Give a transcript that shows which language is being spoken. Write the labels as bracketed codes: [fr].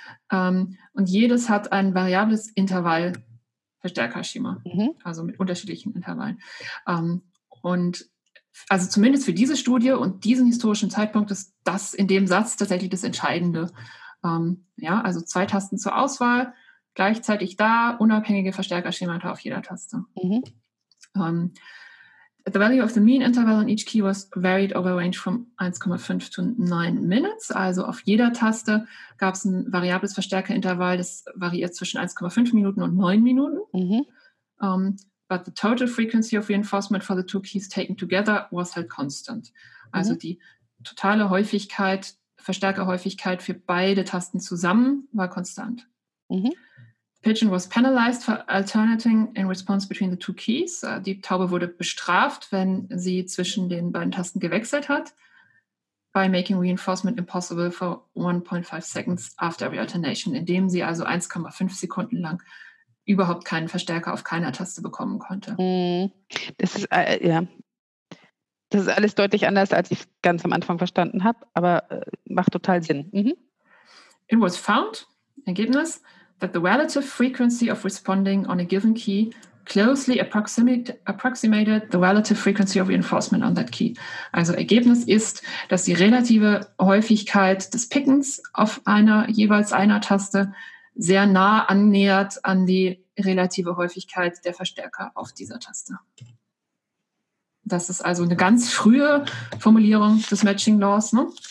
[de] Und jedes hat ein variables Intervallverstärkerschema, also mit unterschiedlichen Intervallen. Und also zumindest für diese Studie und diesen historischen Zeitpunkt ist das in dem Satz tatsächlich das Entscheidende. Ja, also zwei Tasten zur Auswahl, gleichzeitig da unabhängige Verstärkerschemata auf jeder Taste. Mhm. [en] The value of the mean interval on each key was varied over a range from 1,5 to 9 minutes. [de] Also auf jeder Taste gab es ein variables Verstärkerintervall, das variiert zwischen 1,5 Minuten und 9 Minuten. Mhm. [en] But the total frequency of reinforcement for the two keys taken together was held constant. [de] Also die totale Häufigkeit, Verstärkerhäufigkeit für beide Tasten zusammen war konstant. [en] Pigeon was penalized for alternating in response between the two keys. [de] Die Taube wurde bestraft, wenn sie zwischen den beiden Tasten gewechselt hat, [en] by making reinforcement impossible for 1.5 seconds after every alternation, [de] indem sie also 1,5 Sekunden lang überhaupt keinen Verstärker auf keiner Taste bekommen konnte. Das ist, ja. Das ist alles deutlich anders, als ich ganz am Anfang verstanden habe, aber macht total Sinn. [en] It was found, Ergebnis, that the relative frequency of responding on a given key closely approximated the relative frequency of reinforcement on that key. [de] Also Ergebnis ist, dass die relative Häufigkeit des Pickens auf einer jeweils einer Taste sehr nah annähert an die relative Häufigkeit der Verstärker auf dieser Taste. Das ist also eine ganz frühe Formulierung des Matching Laws. Ne?